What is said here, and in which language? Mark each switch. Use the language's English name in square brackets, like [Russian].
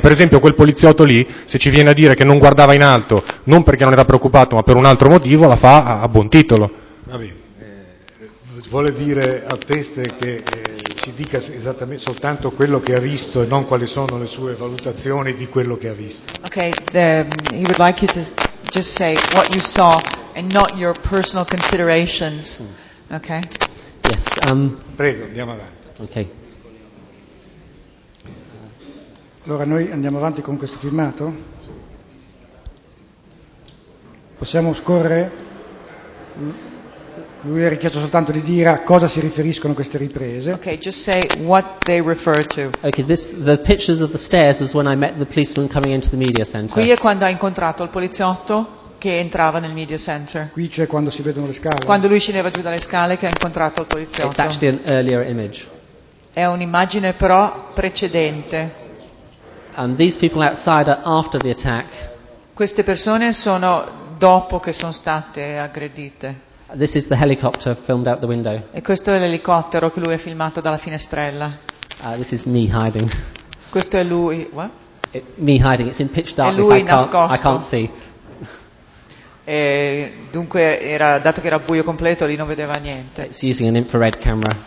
[Italian] Per esempio quel poliziotto lì, se ci viene a dire che non guardava in alto, non perché non era preoccupato, ma per un altro motivo, la fa a buon titolo. Va bene. Vuole dire a teste che ci dica esattamente soltanto quello che ha visto e non quali sono le sue valutazioni di quello che ha visto. [English] Ok, he would like you to just say what you saw and not your personal considerations. Okay? Yes. [Italian] Prego, andiamo avanti. [English] Okay. [Italian] Allora noi andiamo avanti con questo filmato? Possiamo scorrere? Lui ha richiesto soltanto di dire a cosa si riferiscono queste riprese. [English] Okay, just say what they refer to. Okay, the pictures of the stairs is when I met the policeman coming into the media center. [Italian] Qui è quando ha incontrato il poliziotto che entrava nel media center. Qui c'è quando si vedono le scale. Quando lui scendeva giù dalle scale che ha incontrato il poliziotto. [English] It's actually an earlier image. [Italian] È un'immagine però precedente. [English] And these people outside are after the attack. [Italian] Queste persone sono dopo che sono state aggredite. [English] This is the helicopter filmed out the window. [Italian] E questo è l'elicottero che lui ha filmato dalla finestrella. [English] This is me hiding. [Italian] Questo è lui. [English] What? It's me hiding. It's in pitch darkness. I can't see. [Italian] E dunque era, dato che era buio completo, lì non vedeva niente. [English] It's using an infrared camera.